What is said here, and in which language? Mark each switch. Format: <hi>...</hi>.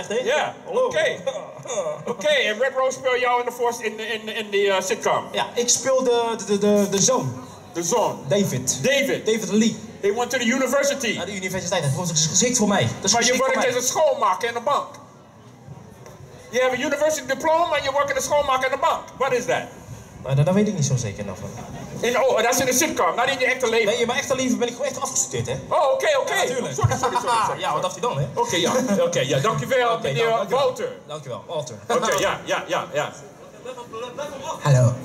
<nl>Oké. Oké, en Red Rose speel jou in de sitcom? Ja, ik speel de zoon. De zoon? David. David Lee.</nl> <en>He went to the university.</en> <nl>Ja, de universiteit. Dat was geschikt voor mij. Maar je werkt als een schoonmaker in de bank.</nl> <en>You have a university diploma and you work as a schoonmaker in the bank. What is that?</en> <nl>Dat weet ik niet zo zeker nog. Oh, dat is in de sitcom, niet in je echte leven. Nee, in mijn echte leven ben ik gewoon echt afgestudeerd, hè. Oh, oké. Ja, natuurlijk. Sorry. Ja, wat dacht je dan, hè? Oké, ja. Dankjewel, meneer Walter. Dankjewel, Walter. Oké, ja. Hallo.</nl>